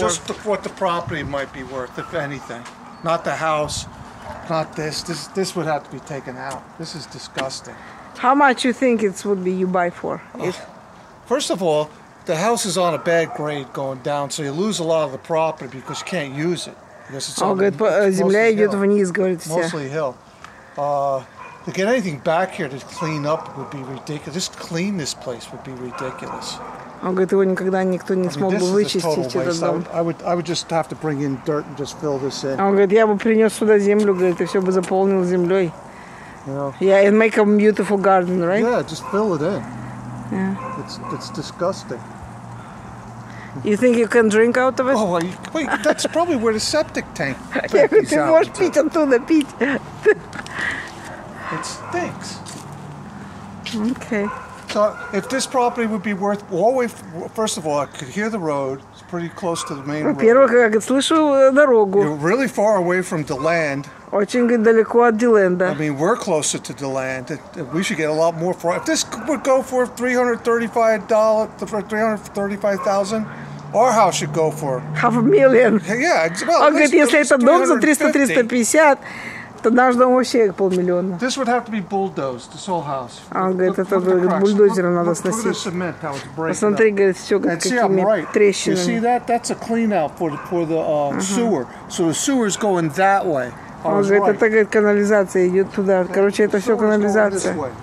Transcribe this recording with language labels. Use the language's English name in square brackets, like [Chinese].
[English] Just the, what the property might be worth, if anything. Not the house, not this. This would have to be taken out. This is disgusting. How much you think it would be you buy for? First of all, the house is on a bad grade going down, so you lose a lot of the property because you can't use it. Because it's all good. [Russian] Земля идет вниз, говорит. [English] Mostly hill. To get anything back here to clean up would be ridiculous. Just clean this place would be ridiculous. [Russian] Он говорит, его никогда никто не смог бы вычистить этот дом. [English] I would just have to bring in dirt and just fill this in. [Russian] Он говорит, я бы принес сюда землю, говорит, и все бы заполнил землей. [English] Yeah. Yeah, and make a beautiful garden, right? Yeah, just fill it in. Yeah. It's disgusting. You think you can drink out of it? Oh, wait, that's probably where the septic tank is. [Russian] Yeah, ты можешь пить оттуда, пить. [English] It stinks. Okay. So, if this property would be worth, always, first of all, I could hear the road. It's pretty close to the main road. [Russian] Во-первых, я слышу дорогу. [English] You're really far away from the land. [Russian] Очень далеко от Диленда. [English] I mean, we're closer to the land. We should get a lot more for it. If this would go for $335,000, our house should go for $500,000. Yeah, well, [Russian] он говорит, если этот дом за 300-350, то наш дом вообще полмиллиона. [English] This would have to be bulldozed, this whole house. [Russian] Он говорит, это говорит, бульдозером надо сносить. Посмотри, говорит, все какими трещинами. [English] You see that? That's a clean out for the sewer. So the sewer is going that way. [Russian] Он говорит, это, говорит, канализация идет туда. Короче, это все канализация.